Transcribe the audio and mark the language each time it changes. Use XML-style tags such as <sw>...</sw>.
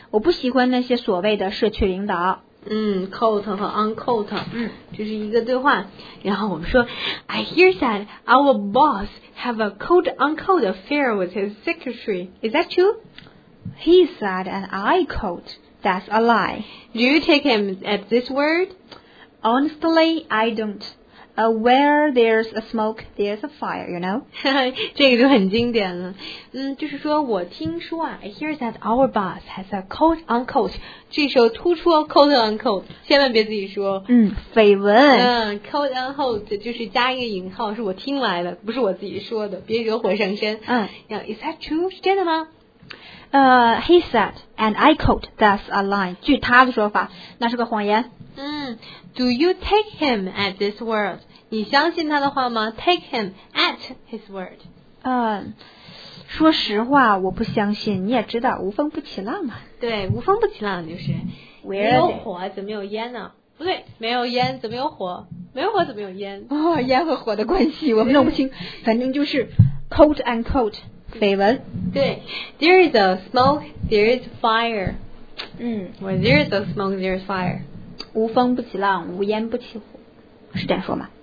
<zh>我不喜欢那些所谓的社区领导。嗯， quote 和 unquote、嗯、就是一个对话。然后我们说</zh> <en>I hear that our boss have a quote unquote affair with his secretary. Is that true? He said and I quote, that's a lie. Do you take him at this word? Honestly, I don'tWhere there's a smoke, there's a fire, you know?</en> <zh>这个就很经典了。就是说我听说啊</zh> <en>I hear that our boss has a quote unquote.</en> <zh>这时候突出 quote unquote, 千万别自己说。绯闻。 Quote unquote 就是加一个引号，是我听来的，不是我自己说的，别惹火上身。</zh> <en>Is that true?</en> <zh>是真的吗？</zh> <en>He said, and I quote, that's a lie.</en> <zh>据他的说法，那是个谎言。</zh> <en>Do you take him at this word?</en> <zh>你相信他的话吗？</zh> <en>Take him at his word.</en> <zh>说实话，我不相信。你也知道，无风不起浪嘛。对，无风不起浪就是。</zh> <en>Where?</en> <zh>没有火怎么有烟呢？不对，没有烟怎么有火？没有火怎么有烟？哦，烟和火的关系我们弄不清。反正就是 quote unquote 绯闻。</zh> <en>对 ，There is a smoke, there is fire. 嗯，Where there is a smoke, there is fire.</en> <zh>无风不起浪，无烟不起火，是这样说吗？</zh>